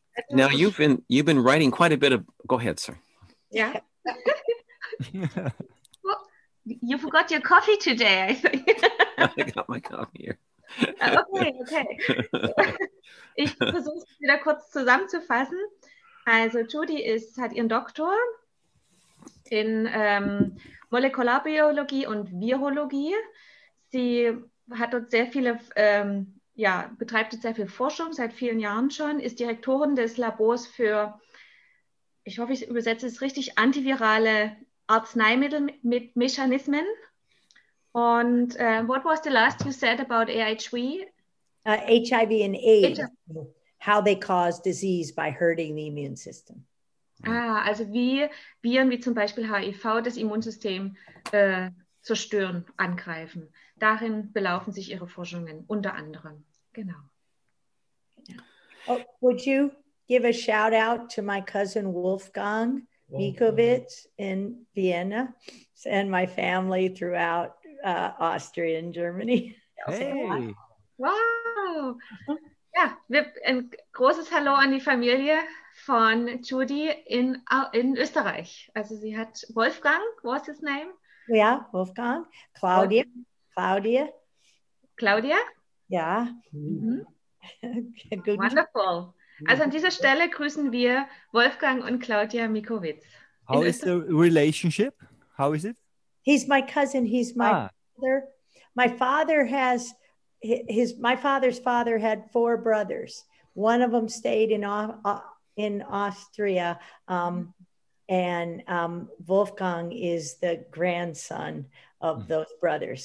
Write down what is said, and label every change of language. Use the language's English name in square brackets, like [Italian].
[English] Now you've been writing quite a bit of, go ahead, sir. Yeah. Well, you forgot your coffee today, I think. I got my coffee here. Okay. [German] Ich versuche es wieder kurz zusammenzufassen. Also Judy hat ihren Doktor in Molekularbiologie und Virologie. Sie hat dort sehr viele, betreibt jetzt sehr viel Forschung seit vielen Jahren schon, ist Direktorin des Labors für, ich hoffe, ich übersetze es richtig, antivirale Arzneimittel mit Mechanismen. Und [English] what was the last you said about AIHV? HIV and AIDS, how they cause disease by hurting the immune system. [German] Ah, also wie Viren wie zum Beispiel HIV das Immunsystem zerstören, angreifen. Darin belaufen sich ihre Forschungen, unter anderem. Genau. [English] Yeah. Oh, would you give a shout out to my cousin Wolfgang Mikowitz in Vienna and my family throughout Austria and Germany? Wow. [German] Ja, ein großes Hallo an die Familie von Judy in Österreich. Also sie hat Wolfgang, [English] what's his name? [German] Ja, Wolfgang. Claudia. Claudia. Claudia? Ja. [English] Mhm. Good. Wonderful. [German] Also an dieser Stelle grüßen wir Wolfgang und Claudia Mikowitz. [English] How is the relationship? How is it? He's my cousin. He's my father. My father has... My father's father had four brothers. One of them stayed in Austria, and Wolfgang is the grandson of those brothers.